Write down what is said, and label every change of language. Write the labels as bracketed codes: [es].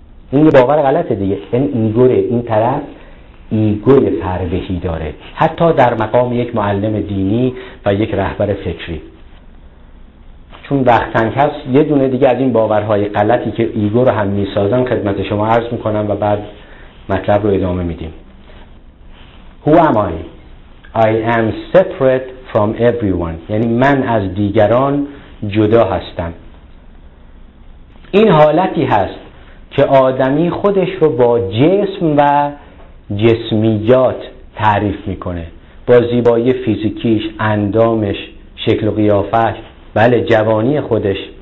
[fa] این یه باور غلطه دیگه. این ایگوه، این طرف ایگوه فربهی داره، حتی در مقام یک معلم دینی و یک رهبر فکری. چون وقتن کس یه دونه دیگه از این باورهای غلطی که ایگو رو هم میسازن خدمت شما عرض میکنم و بعد مطلب رو ادامه میدیم. [en] Who am I? I am separate from everyone. [fa] یعنی من از دیگران جدا هستم. این حالتی هست که آدمی خودش رو با جسم و جسمیات تعریف میکنه، با زیبایی فیزیکیش، اندامش، شکل و قیافش، بله جوانی خودش.